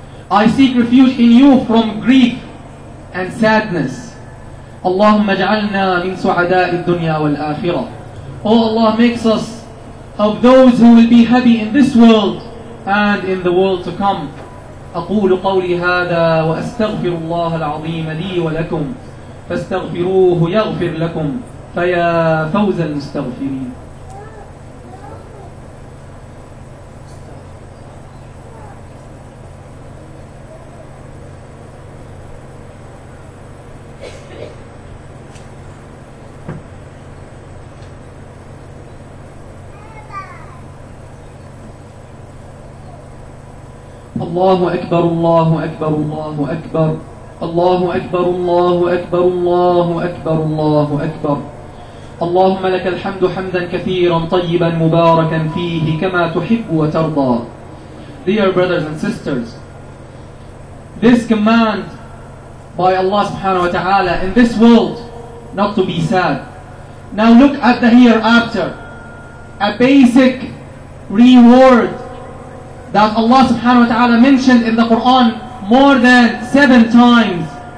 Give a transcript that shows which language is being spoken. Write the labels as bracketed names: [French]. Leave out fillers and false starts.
[English] I seek refuge in you from grief and sadness. [Arabic] Allahumma ja'alna min su'ada'id dunya wal-akhirah. [English] Oh Allah, makes us of those who will be happy in this world and in the world to come. [Arabic] أقول قولي هذا وأستغفر الله العظيم لي ولكم فاستغفروه يغفر لكم فيا فوز المستغفرين. الله أكبر الله أكبر الله أكبر الله أكبر الله أكبر الله أكبر الله أكبر. اللهم لك الحمد حمدا كثيرا طيبا مباركا فيه كما تحب وترضى. [English] Dear brothers and sisters, this command by Allah subhanahu wa ta'ala in this world not to be sad. Now look at the hereafter, a basic reward that Allah subhanahu wa ta'ala mentioned in the Quran more than 7 times.